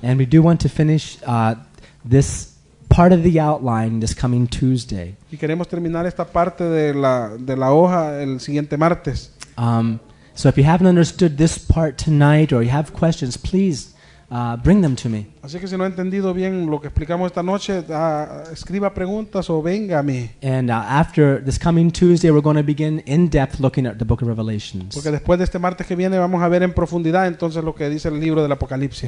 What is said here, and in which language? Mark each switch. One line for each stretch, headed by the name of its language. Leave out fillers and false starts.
English: And we do want to finish this part of the outline this coming Tuesday.
Spanish: Y queremos terminar esta parte de la hoja el siguiente martes.
English: So if you haven't understood this part tonight or you have questions, please bring them to me.
Spanish: Así que si no he entendido bien lo que explicamos esta noche, escriba preguntas o venga a mí.
English: And after this coming Tuesday, we're going to begin in depth looking at the book of Revelation.
Spanish: Porque después de este martes que viene vamos a ver en profundidad entonces lo que dice el libro del Apocalipsis.